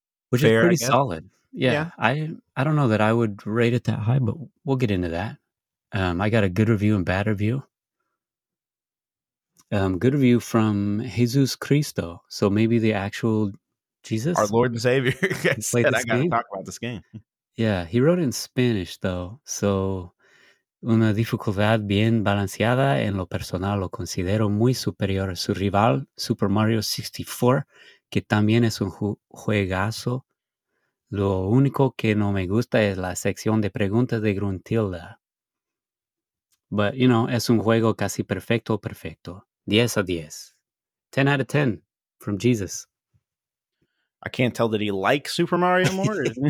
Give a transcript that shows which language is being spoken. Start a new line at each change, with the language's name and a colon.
English: Which fair, is pretty solid. Yeah. I don't know that I would rate it that high, but we'll get into that. I got a good review and bad review. Good review from Jesus Cristo. So maybe the actual Jesus? Our Lord and Savior. I gotta talk about this game. Yeah, he wrote it in Spanish, though.
Spanish: So, una dificultad bien balanceada en lo personal lo considero muy superior a su rival, Super Mario 64, que también es un juegazo. Lo único que no me gusta es la sección de preguntas de Gruntilda.
English: But, you know,
Spanish: es un juego casi perfecto, perfecto.
English: 10 out of 10. 10 out of 10 from Jesus. I can't tell that he likes Super Mario more.